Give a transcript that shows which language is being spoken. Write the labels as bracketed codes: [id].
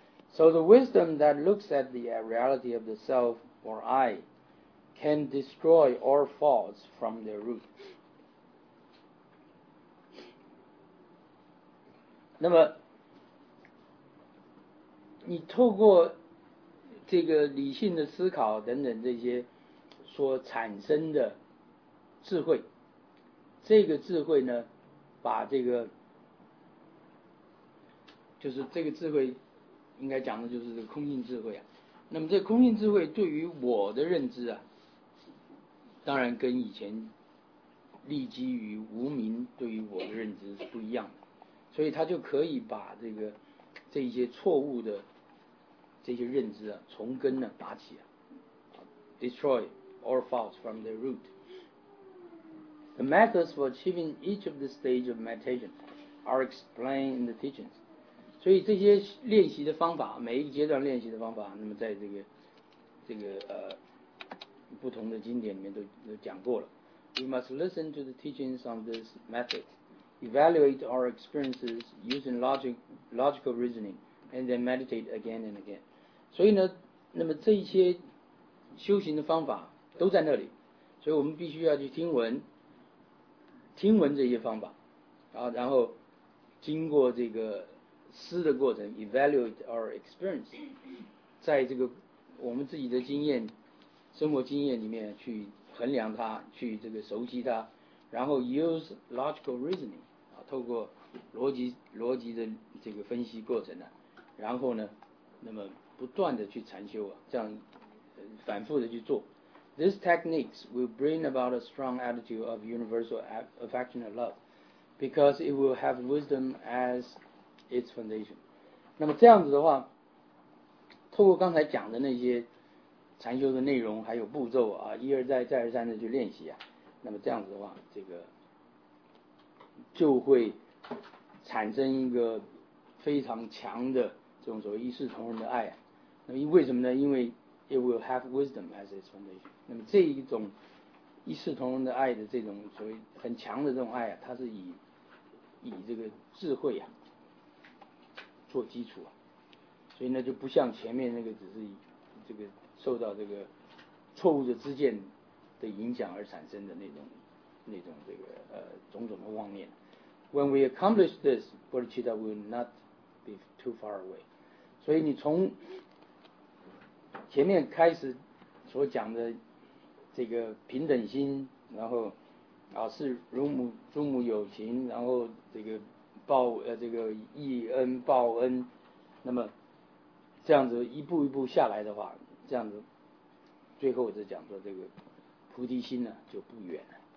[en] So the wisdom that looks at the reality of the self or I can destroy all faults from their root. [zh] 那么你透过这个理性的思考等等这些所产生的智慧，这个智慧呢，把这个，就是这个智慧，应该讲的就是这个空性智慧啊。那么这空性智慧对于我的认知啊，当然跟以前立基于无明对于我的认知是不一样的，所以他就可以把这个这些错误的这些认知啊，从根呢拔起啊 ， [en] destroy all faults from the root。 The methods for achieving each of the stages of meditation are explained in the teachings. [zh] 所以这些练习的方法，每一个阶段练习的方法，那么在这个不同的经典里面都讲过了。 [en] You must listen to the teachings on this method, evaluate our experiences using logical reasoning, and then meditate again and again. [zh] 所以呢，那么这一些修行的方法都在那里，所以我们必须要去听闻。听闻这些方法，然后经过这个思的过程 ， [en] evaluate our experience， [zh] 在这个我们自己的经验、生活经验里面去衡量它，去这个熟悉它，然后 [en] use logical reasoning， [zh] 啊，透过逻辑的这个分析过程呢、啊，然后呢，那么不断的去禅修啊，这样、反复的去做。 [en] These techniques will bring about a strong attitude of universal affectionate love, because it will have wisdom as its foundation. [zh] 那么这样子的话，透过刚才讲的那些禅修的内容还有步骤啊，一而再再而三的去练习啊，那么这样子的话，这个就会产生一个非常强的这种所谓一视同仁的爱啊。那么为什么呢？因为 [en] It will have wisdom as its foundation. [zh] 那么这一种一视同仁的爱的这种所谓很强的这种爱啊，它是以这个智慧啊做基础啊，所以呢就不像前面那个只是这个受到这个错误的知见的影响而产生的那种这个种种的妄念。 [en] When we accomplish this, bodhicitta will not be too far away. [zh] 所以你从前面开始所讲的这个平等心，然后啊是诸母有情，然后这个义恩报恩，那么这样子一步一步下来的话，这样子最后就讲说这个菩提心呢、啊、就不远了。